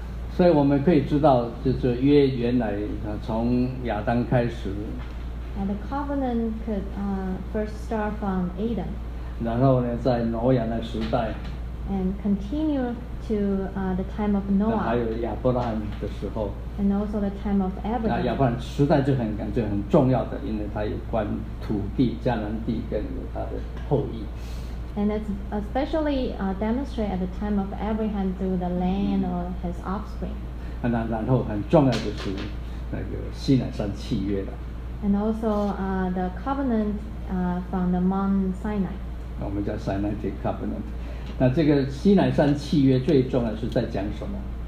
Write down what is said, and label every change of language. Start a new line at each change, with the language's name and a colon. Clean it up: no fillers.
Chinese: 所以我们可以知道，就是约原来从亚当开始。
English: And the covenant could first start from Adam.
Chinese: 然后呢，在挪亚的时代。
English: And continue to the time of Noah.
Chinese: 还有亚伯拉罕的时候。
English: And also the time of Abraham.
Chinese: 亚伯拉罕时代就很重要的，因为它有关土地、迦南地跟它的后裔。
English: And it's especially demonstrated at the time of Abraham through the land or his offspring.
Chinese: 然后很重要就是那个西乃山契约的。
English: And also the covenant from the Mount Sinai.
Chinese: 我们叫 Sinaitic covenant. 那这个西乃山契约最重要是在讲什么